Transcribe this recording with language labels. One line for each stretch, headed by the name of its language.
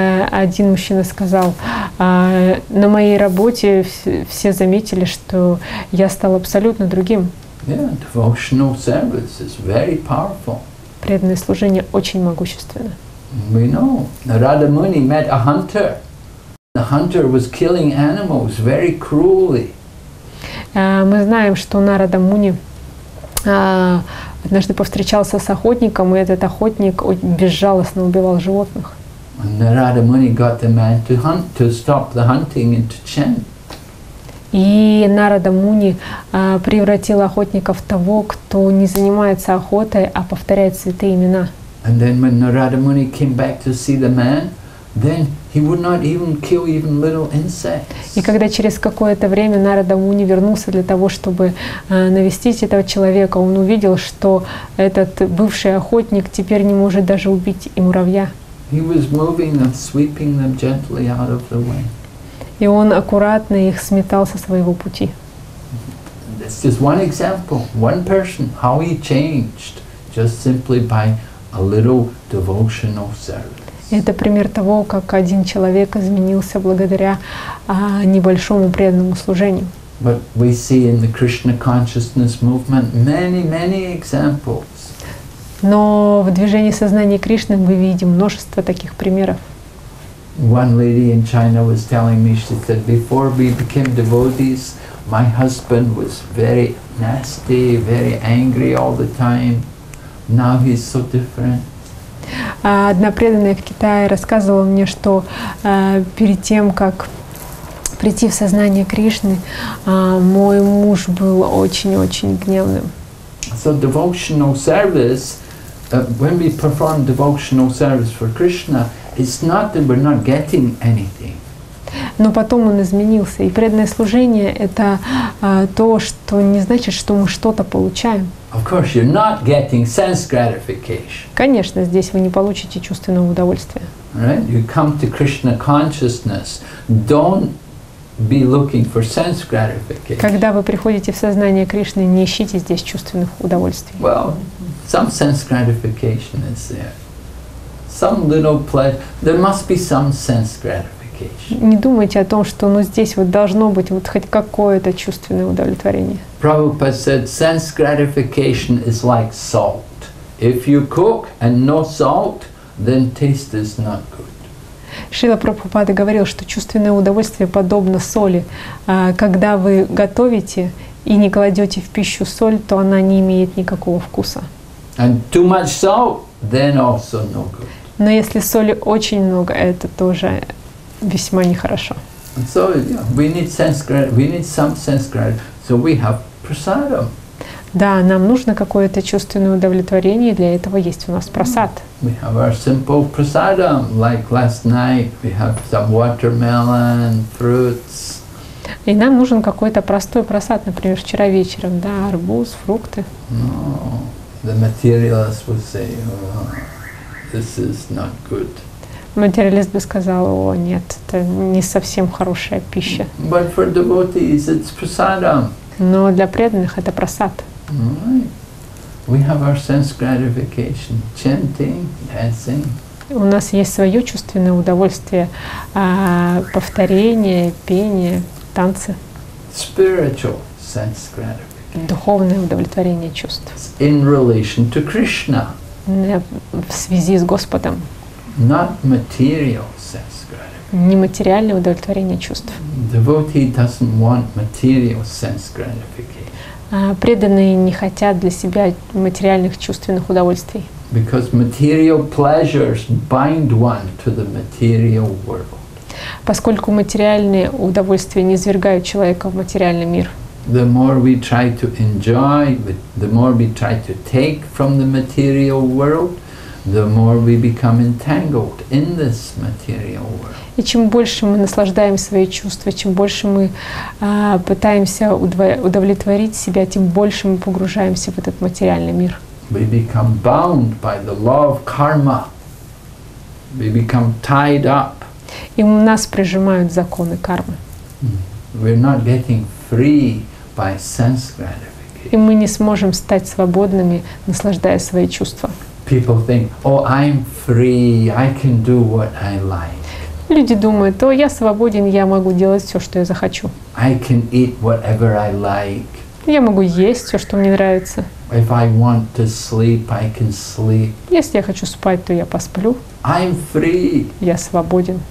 Russian: Один мужчина сказал, на моей работе все заметили, что я стал абсолютно другим.
English: Yeah, devotional service is very powerful.
Russian: Преданное служение очень могущественно.
English: We know. Narada Muni met a hunter. The hunter was killing animals very cruelly.
Russian: Мы знаем, что Нарада Муни однажды повстречался с охотником, и этот охотник безжалостно убивал животных.
English: And Narada Muni got the man to hunt, to stop the hunting and to chant.
Russian: И Нарада Муни превратил охотника в того, кто не занимается охотой, а повторяет святые имена.
English: And then when Narada Muni came back to see the man, then he would not even kill even little insects.
Russian: И когда через какое-то время Нарада Муни вернулся для того, чтобы навестить этого человека, он увидел, что этот бывший охотник теперь не может даже убить и муравья.
English: He was moving them, sweeping them gently out of the way.
Russian: И он аккуратно их сметал со своего пути.
English: This is one example, one person, how he changed just simply by a little devotional service.
Russian: Это пример того, как один человек изменился благодаря небольшому преданному служению.
English: But we see in the Krishna consciousness movement many, many examples.
Russian: Но в движении сознания Кришны мы видим множество таких примеров.
English: One lady in China was telling me, she said, before we became devotees, my husband was very nasty, very angry all the time. Now he's so different.
Russian: Одна преданная в Китае рассказывала мне, что перед тем, как прийти в сознание Кришны, мой муж был очень-очень гневным.
English: So devotional service. When we perform devotional service for Krishna, it's not that we're not getting anything.
Russian: Но потом он изменился, и преданное служение — это то, что не значит, что мы что-то получаем.
English: Of course, you're not getting sense gratification.
Russian: Конечно, здесь вы не получите чувственного удовольствия.
English: Right? You come to Krishna consciousness. Don't be looking for sense gratification.
Russian: Когда вы приходите в сознание Кришны, не ищите здесь чувственных удовольствий.
English: Well, some sense gratification is there. Some little pleasure. There must be some sense gratification.
Russian: Не думайте о том, что здесь вот должно быть вот хоть какое-то чувственное удовлетворение.
English: Prabhupada said, sense gratification is like salt. If you cook and no salt, then taste is not good.
Russian: Шрила Прабхупада говорил, что чувственное удовольствие подобно соли. Когда вы готовите и не кладете в пищу соль, то она не имеет никакого вкуса.
English: And too much salt, then also no good.
Russian: Но если соли очень много, это тоже весьма нехорошо.
English: So, yeah, we need some sense gratification. So we have prasadam.
Russian: Да, нам нужно какое-то чувственное удовлетворение, для этого есть у нас прасад.
English: We have our simple prasadam, like last night. We have some watermelon, fruits.
Russian: И нам нужен какой-то простой прасад, например, вчера вечером, да, арбуз, фрукты.
English: No, the materialist would say, oh, this is not good.
Russian: Материалист бы сказал, о, нет, это не совсем хорошая пища.
English: But for devotees, it's prasadam.
Russian: Но для преданных это прасад.
English: Right. We have our sense gratification, chanting, dancing.
Russian: У нас есть свое чувственное удовольствие, повторение, пение, танцы.
English: Spiritual sense gratification.
Russian: Духовное удовлетворение чувств.
English: In relation to Krishna.
Russian: В связи с Господом.
English: Not material sense gratification.
Russian: нематериальное удовлетворение чувств.
English: Devotee doesn't want material sense gratification.
Russian: Преданные не хотят для себя материальных чувственных удовольствий.
English: Because material pleasures bind one to the material world.
Russian: Поскольку материальные удовольствия низвергают человека в материальный мир.
English: The more we try to enjoy, the more we try to take from the material world, the more we become entangled in this material world.
Russian: И чем больше мы наслаждаем свои чувства, чем больше мы пытаемся удовлетворить себя, тем больше мы погружаемся в этот материальный мир.
English: We become bound by the law of karma. We become tied up.
Russian: И нас прижимают законы кармы.
English: We're not getting free by sense gratification.
Russian: И мы не сможем стать свободными, наслаждая свои чувства.
English: People think, oh, I'm free, I can do what I like.
Russian: Люди думают, о, я свободен, я могу делать все, что я захочу.
English: I can eat whatever I like.
Russian: Я могу есть все, что мне нравится.
English: If I want to sleep, I can sleep.
Russian: Если я хочу спать, то я посплю.
English: I'm free.
Russian: Я свободен.